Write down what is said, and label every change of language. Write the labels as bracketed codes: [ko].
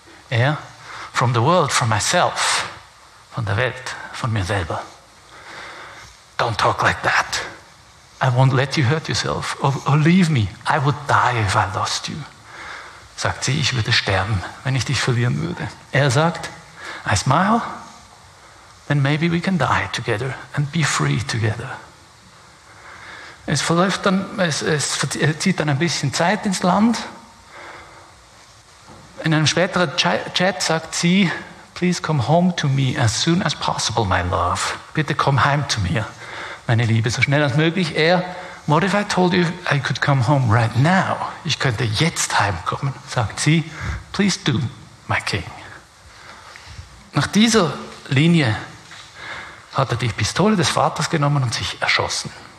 [de] Er, [en] from the world, from myself. [de] Von der Welt, von mir selber. [en] Don't talk like that. I won't let you hurt yourself. Or leave me. I would die if I lost you. [de] Sagt sie, ich würde sterben, wenn ich dich verlieren würde. Er sagt, [en] I smile. Then maybe we can die together and be free together. [de] Es verläuft dann, es zieht dann ein bisschen Zeit ins Land. In einem späteren Chat sagt sie, [en] please come home to me as soon as possible, my love. [de] Bitte komm heim zu mir, meine Liebe, so schnell als möglich. Er, [en] what if I told you I could come home right now? [de] Ich könnte jetzt heimkommen, sagt sie. [en] Please do, my king. [de] Nach dieser Linie hat er die Pistole des Vaters genommen und sich erschossen.